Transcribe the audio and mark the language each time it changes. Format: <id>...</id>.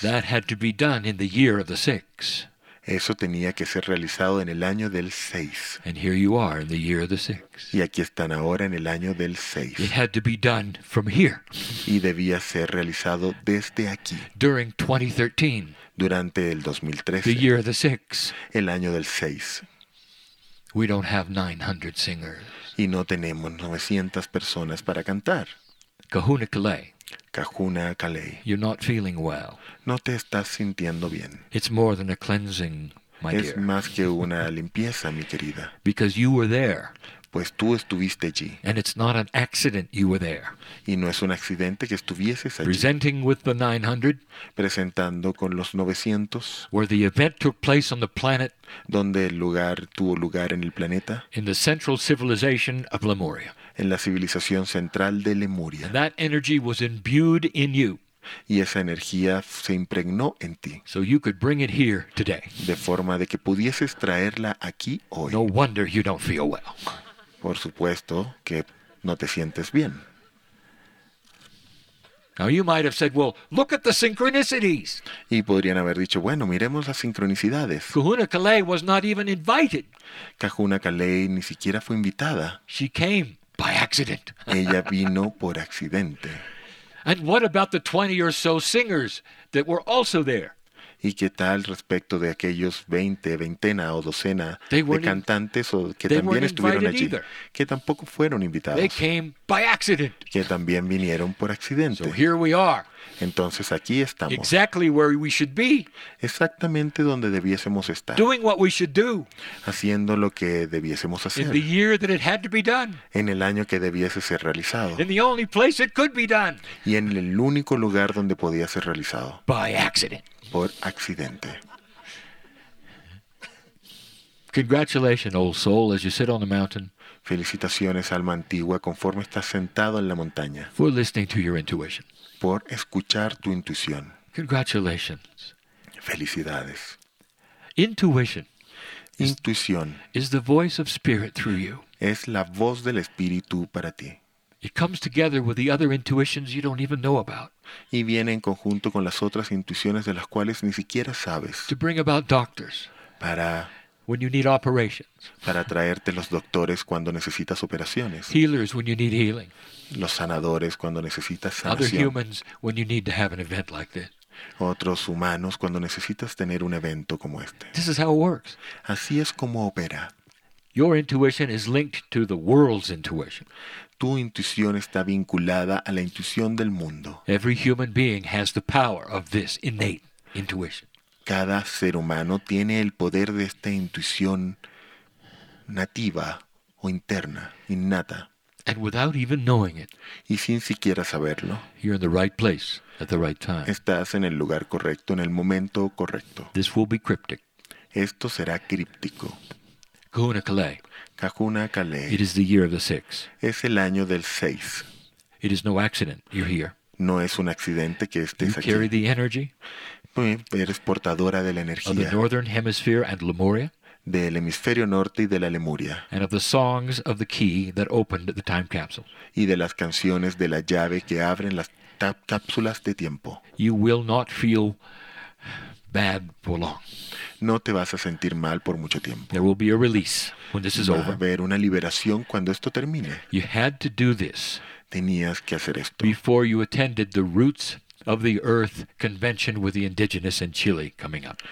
<en>That had to be done in the year of the six.</en> <es>Eso tenía que ser realizado en el año del seis.</es> <en>And here you are in the year of the six.</en> <es>Y aquí están ahora en el año del seis.</es> <en>It had to be done from here.</en> <es>Y debía ser realizado desde aquí.</es> <en>During 2013.</en> <es>Durante el 2013.</es> <en>The year of the six.</en> <es>El año del seis.</es> <en>We don't have 900 singers.</en> <es>Y no tenemos 900 personas para cantar.</es> <en>Kahuna Kale.</en> <es>Kahuna Kale.</es> <en>You're not feeling well.</en> <es>No te estás sintiendo bien.</es> <en>It's more than a cleansing, my</en> <es>es</es> <en>dear.</en> <es>Es más que una limpieza, mi querida.</es> <en>Because you were there.</en> <es>pues tú estuviste allí.</es> <en>And it's not an accident you were there.</en> <es>Y no es un accidente que estuvieses allí.</es> <en>Presenting with the 900,</en> <es>presentando con los 900,</es> <en>where the event took place on the planet,</en> <es>donde el lugar tuvo lugar en el planeta,</es> <en>in the central civilization of Lemuria.</en> <es>En la civilización central de Lemuria.</es> <en>And that energy was imbued in you.</en> <es>Y esa energía se impregnó en ti.</es> <en>So you could bring it here today.</en> <es>De forma de que pudieses traerla aquí hoy.</es> <en>No wonder you don't feel well.</en> <es>Por supuesto que no te sientes bien.</es> <en>Now you might have said, well, look at the synchronicities.</en> <es>Y podrían haber dicho, bueno, miremos las sincronicidades.</es> <en>Kahuna Kalei was not even invited.</en> <es>Kahuna Kalei ni siquiera fue invitada.</es> <en>She came by accident.</en> <es>Ella vino por accidente.</es> <en>And what about the 20 or so singers that were also there?</en> <es>¿Y qué tal respecto de aquellos 20, veintena o docena de cantantes o que también estuvieron allí?</es> <en>Either.</en> <es>Que tampoco fueron invitados.</es> <en>They came by accident.</en> <es>Que también vinieron por accidente.</es> <en>So here we are.</en> <es>Entonces aquí estamos.</es> <en>Exactly where we should be.</en> <es>Exactamente donde debiésemos estar.</es> <en>Doing what we should do.</en> <es>Haciendo lo que debiésemos hacer.</es> <en>In the year that it had to be done.</en> <es>En el año que debiese ser realizado.</es> <en>In the only place it could be done.</en> <es>Y en el único lugar donde podía ser realizado.</es> <en>By accident.</en> <es>Por accidente.</es> <en>Congratulations, old soul, as you sit on the mountain.</en> <es>Felicitaciones, alma antigua, conforme estás sentado en la montaña.</es> <en>For listening to your intuition.</en> <es>Por escuchar tu intuición.</es> <en>Congratulations.</en> <es>Felicidades.</es> <en>Intuition.</en> <es>Intuición.</es> <en>Is the voice of spirit through you.</en> <es>Es la voz del espíritu para ti.</es> <en>It comes together with the other intuitions you don't even know about.</en> <es>Y viene en conjunto con las otras intuiciones de las cuales ni siquiera sabes.</es> <en>To bring about doctors.</en> <es>Para</es> <en>when you need operations.</en> <es>Para traerte los doctores cuando necesitas operaciones.</es> <en>Healers when you need healing.</en> <es>Los sanadores cuando necesitas sanación.</es> <en>Other humans when you need to have an event like this.</en> <es>Otros humanos cuando necesitas tener un evento como este.</es> <en>This is how it works.</en> <es>Así es como opera.</es> <en>Your intuition is linked to the world's intuition.</en> <es>Tu intuición está vinculada a la intuición del mundo.</es> <en>Every human being has the power of this innate intuition.</en> <es>Cada ser humano tiene el poder de esta intuición nativa o interna, innata.</es> <en>And without even knowing it,</en> <es>y sin siquiera saberlo,</es> <en>you're in the right place at the right time.</en> <es>Estás en el lugar correcto, en el momento correcto.</es> <en>This will be cryptic.</en> <es>Esto será críptico.</es> <en>Kahuna Kalei.</en> <es>Kahuna Kalei.</es> <en>It is the year of the six.</en> <es>Es el año del seis.</es> <en>It is no accident you're here.</en> <es>No es un accidente que estés aquí.</es> <en>You carry the energy.</en> <es>Eres portadora de la energía.</es> <en>Of the northern hemisphere and Lemuria.</en> <es>Del hemisferio norte y de la Lemuria.</es> <en>And of the songs of the key that opened the time capsules.</en> <es>Y de las canciones de la llave que abren las cápsulas de tiempo.</es> <en>You will not feel bad for long.</en> <es>No te vas a sentir mal por mucho tiempo.</es> <en>There will be a release when this is over.</en> <es>Va a haber una liberación cuando esto termine.</es> <en>You had to do this.</en> <es>Tenías que hacer esto.</es> <en>Before you attended the Roots of the Earth convention with the indigenous in Chile coming up.</en>